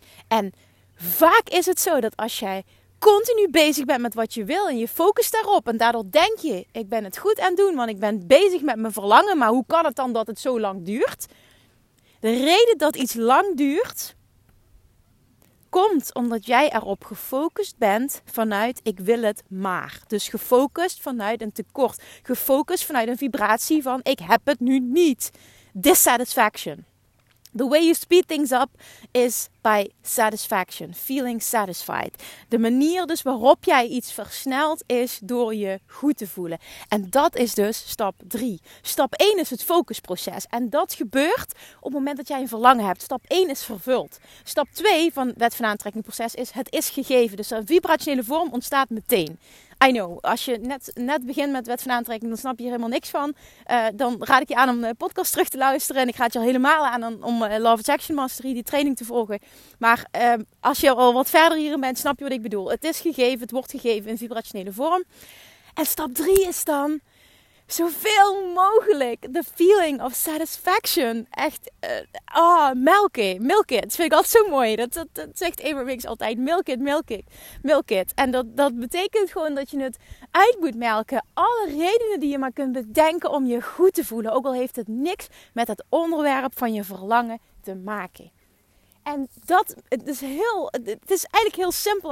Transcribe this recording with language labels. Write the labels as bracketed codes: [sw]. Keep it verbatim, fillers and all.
[nl] En vaak is het zo dat als jij continu bezig bent met wat je wil en je focust daarop en daardoor denk je, ik ben het goed aan het doen, want ik ben bezig met mijn verlangen, maar hoe kan het dan dat het zo lang duurt? De reden dat iets lang duurt, komt omdat jij erop gefocust bent vanuit ik wil het maar. Dus gefocust vanuit een tekort. Gefocust vanuit een vibratie van ik heb het nu niet. [en] Dissatisfaction. The way you speed things up is by satisfaction. Feeling satisfied. [nl] De manier dus waarop jij iets versnelt is door je goed te voelen. En dat is dus stap drie. Stap één is het focusproces. En dat gebeurt op het moment dat jij een verlangen hebt. Stap één is vervuld. Stap twee van het wet van aantrekkingproces is het is gegeven. Dus een vibrationele vorm ontstaat meteen. [en] I know, [nl] als je net, net begint met wet van aantrekking, dan snap je hier helemaal niks van. Uh, dan raad ik je aan om de podcast terug te luisteren. En ik raad je al helemaal aan om uh, Love Attraction Mastery, die training te volgen. Maar uh, als je al wat verder hierin bent, snap je wat ik bedoel. Het is gegeven, het wordt gegeven in vibrationele vorm. En stap drie is dan zoveel mogelijk de [en] feeling of satisfaction. Echt, ah, uh, oh, milk it, milk it. [nl] Dat vind ik altijd zo mooi. Dat, dat, dat zegt Amber Wicks altijd, [en] milk it, milk it, milk it. [nl] En dat, dat betekent gewoon dat je het uit moet melken. Alle redenen die je maar kunt bedenken om je goed te voelen. Ook al heeft het niks met het onderwerp van je verlangen te maken. En dat het is, heel, het is eigenlijk heel simpel.